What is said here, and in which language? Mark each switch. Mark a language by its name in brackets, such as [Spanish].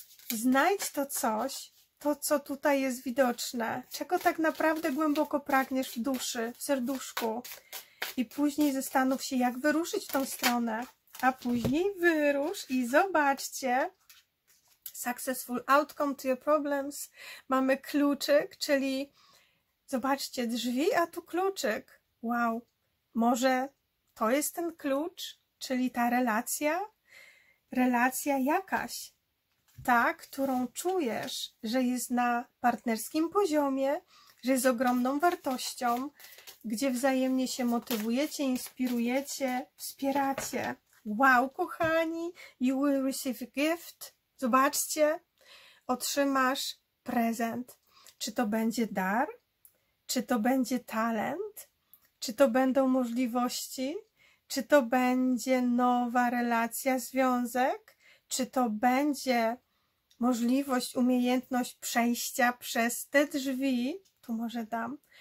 [Polish] Znajdź to coś, to co tutaj jest widoczne. Czego tak naprawdę głęboko pragniesz w duszy, w serduszku? I później zastanów się, jak wyruszyć w tą stronę. A później wyrusz i zobaczcie. [English] Successful outcome to your problems. [Polish] Mamy kluczyk, czyli zobaczcie, drzwi, a tu kluczyk. Wow, może to jest ten klucz, czyli ta relacja? Relacja jakaś, ta, którą czujesz, że jest na partnerskim poziomie, że jest ogromną wartością, gdzie wzajemnie się motywujecie, inspirujecie, wspieracie. [English] Wow, kochani, you will receive a gift. [Polish] Zobaczcie, otrzymasz prezent. Czy to będzie dar? Czy to będzie talent? Czy to będą możliwości? Czy to będzie nowa relacja, związek? Czy to będzie możliwość, umiejętność przejścia przez te drzwi? Tu może dam.